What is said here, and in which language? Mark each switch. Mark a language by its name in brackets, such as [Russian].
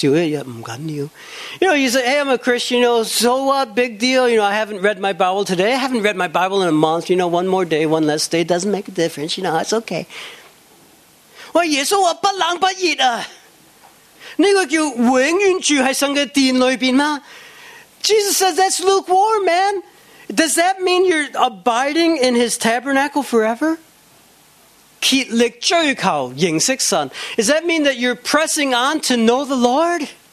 [English] You know, you say, hey, I'm a Christian, you know, so what, big deal, you know, I haven't read my Bible today, I haven't read my Bible in a month, you know, one more day, one less day, doesn't make a difference, you know, it's okay. [Chinese] 耶稣说,不冷不热,这个叫永远住在神的殿里面吗? [English] Jesus says, that's lukewarm, man. Does that mean you're abiding in his tabernacle forever? [Chinese] 竭力追求认识神. [English] Does that mean that you're pressing on to know the Lord?